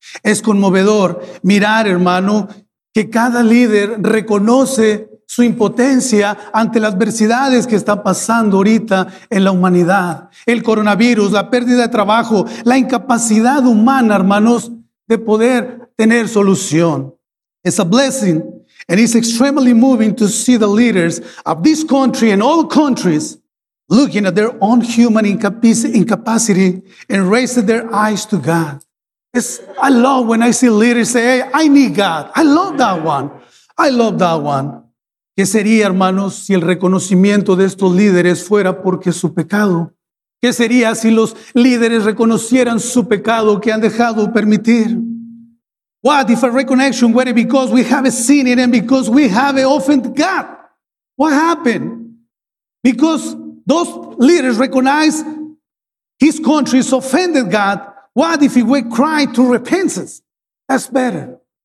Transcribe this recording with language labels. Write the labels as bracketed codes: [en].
[es] Es conmovedor mirar, hermano, que cada líder reconoce su impotencia ante las adversidades que está pasando ahorita en la humanidad. El coronavirus, la pérdida de trabajo, la incapacidad humana, hermanos, de poder tener solución. [en] It's a blessing and it's extremely moving to see the leaders of this country and all countries looking at their own human incapacity and raising their eyes to God. It's, I love when I see leaders say, hey, I need God. I love that one. I love that one. [es] ¿Qué sería, hermanos, si el reconocimiento de estos líderes fuera porque su pecado? ¿Qué sería si los líderes reconocieran su pecado que han dejado permitir? [en] What if a recognition were because we have seen it and because we have offended God? What happened? Because those leaders recognize his country has offended God. What if he would cry to repentance? That's better.